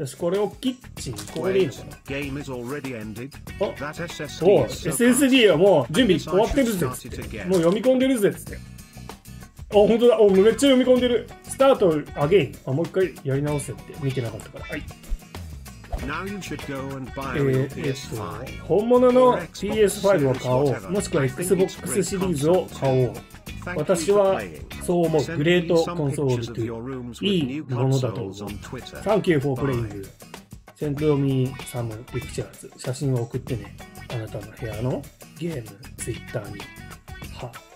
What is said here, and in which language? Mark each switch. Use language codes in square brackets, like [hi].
[ja] よし、これをキッチン、ここでいいのかな。 [en] Wait, game is ended. That SSD [ja] おっ、 [en] so、 [ja] SSD はもう準備終わってるぜっつって。もう読み込んでるぜっつって。あ、ほんとだ。お、めっちゃ読み込んでる。スタートアゲイン。あ、もう一回やり直せって。見てなかったから。はい。 [en] Now you should go and buy a PS5. [ja] 本物の PS5 を買おう。もしくは Xbox シリーズを買おう。私はそう思う。グレートコンソールといいものだと思う。 [en] Thank you for playing. Send me some pictures. [ja] 写真を送ってね。あなたの部屋のゲーム、Twitter に。は。